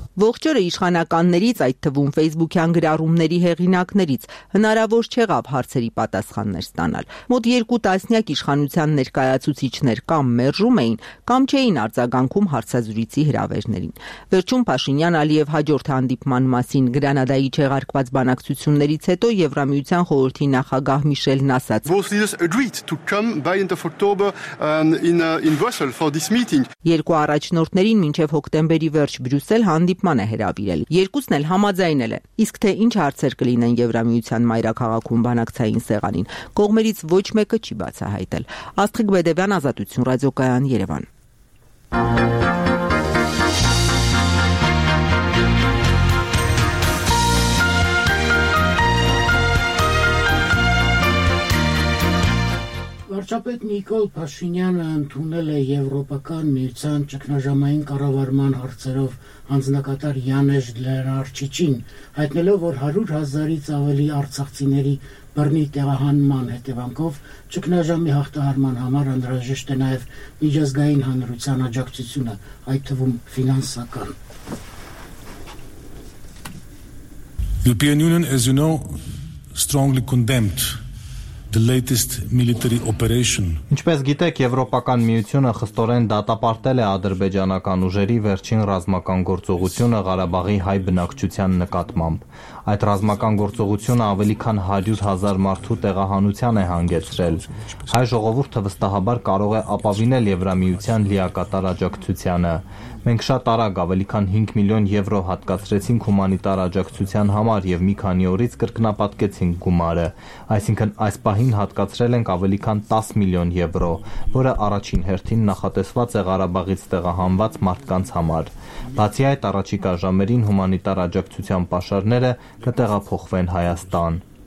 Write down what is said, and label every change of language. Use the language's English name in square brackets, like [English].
[Armenian] Ողջ օրը իշխանականներից, այդ թվում Facebook-յան գրառումների հեղինակներից հնարավոր չեղավ հարցերի պատասխաններ ստանալ։ Մոտ 2 տասնյակ իշխանության ներկայացուցիչներ կամ մերժում էին, կամ չէին արձագանքում հարցազրույցի հրավերներին։ Վերջում Փաշինյան Ալիև հաջորդ հանդիպման մասին Գրանադայի չեղարկված բանակցություններից հետո Եվրամիության խորհրդի նախագահ Միշելն ասաց. [English] Bosnia agreed to come by end of October in Brussels for this meeting. [Armenian] Երկու առաջնորդներին մինչև հոկտեմբերի վերջ Բրյուսել հանդիպման է հրավիրել, երկուսն էլ համաձայնել է։ Իսկ թե ինչ հարցեր կլինեն Եվրամիության մայրաքաղաքում բանակցային սեղանին, կողմերից ոչ մեկը չի բացահայտել։ Աստղիկ Բեդևյան, Ազատություն ռադիոկայան, Երևան։ Վարչապետ Նիկոլ Փաշինյանը ընդունել է Եվրոպական միության ճգնաժամային կառավարման հարցերով հանձնակատար Յանես Լենարչիչին, հայտնելով, որ 100,000-ից ավելի արցախցիների բռնի տեղահանման հետևանքով ճգնաժամի հաղթահարման համար անհրաժեշտ է նաև միջազգային հանրության աջակցությունը, այդ թվում ֆինանսական։ [English] European Union, as you know, strongly condemned the latest military operation. [Armenian] Ինչպես գիտեք, Եվրոպական միությունը խստորեն դատապարտել է ադրբեջանական ուժերի վերջին ռազմական գործողությունը Ղարաբաղի հայ բնակչության նկատմամբ։ Այդ ռազմական գործողությունը ավելի քան 100,000 մարդու տեղահանության է հանգեցրել։ Հայ ժողովուրդը վստահաբար կարող է ապավինել Եվրամիության լիակատար աջակցությանը։ Մենք շատ արագ, ավելի քան 5 միլիոն եվրո հատկացրեցինք հումանիտար աջակցության համար եւ մի քանի օրից կրկնապատկեցինք գումարը, այսինքն այս պահին հատկացրել ենք ավելի քան 10 միլիոն եվրո, որը առաջին հերթին նախատեսված է Ղարաբաղից տեղահանված մարդկանց համար։ Բացի այդ, առաջիկա ժամերին հումանիտար աջակցության պաշարները կտեղափոխվեն Հայաստան։